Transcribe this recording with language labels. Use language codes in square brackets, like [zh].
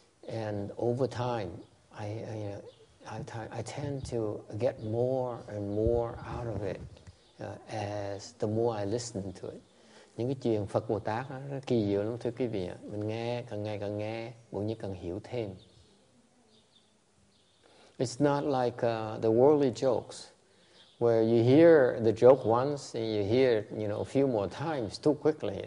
[en] And over time, I tend to get more and more out of it as the more I listen to it. [vi] Những cái chuyện Phật Bồ Tát đó, nó kỳ diệu lắm thưa quý vị. Mình nghe càng nghe cũng như càng hiểu thêm. [en] It's not like the worldly jokes, where you hear the joke once and you hear it, you know, a few more times too quickly.